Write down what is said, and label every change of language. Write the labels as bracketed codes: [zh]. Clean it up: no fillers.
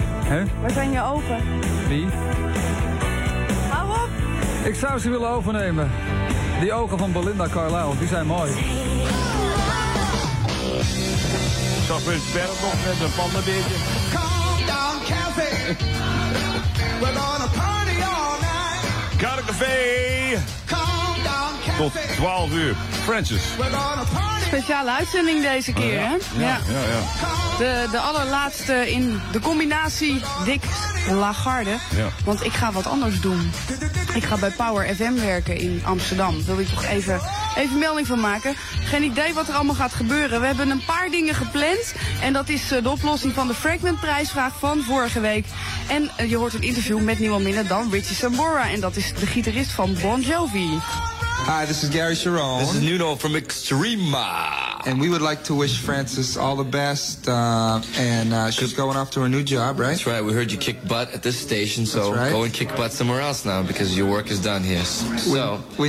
[nl] Hè? Waar zijn je ogen? Wie? Hou op! Ik zou ze willen overnemen. Die ogen van Belinda Carlisle, die zijn mooi. Ik zag weer het berg nog met een pandenbeertje. [en] Calm down, Cafe. We're gonna party all night. Got a cafe. Calm down, Cafe. [nl] Tot 12 uur. [en] Francis. [nl] Speciale uitzending deze keer, Ja. De allerlaatste in de combinatie Dick Lagarde. Ja. Want ik ga wat anders doen. Ik ga bij Power FM werken in Amsterdam. Daar wil ik toch even melding van maken. Geen idee wat er allemaal gaat gebeuren. We hebben een paar dingen gepland. En dat is de oplossing van de Fragmentprijsvraag van vorige week. En je hoort een interview met niemand minder dan Richie Sambora. En dat is de gitarist van Bon Jovi. [en] Hi, this is Gary Cherone. This is Nuno from Extrema. And we would like to wish Frances all the best. She's going off to her new job, right? That's right. We heard you kick butt at this station, so right. Go and kick butt somewhere else now because your work is done here. So we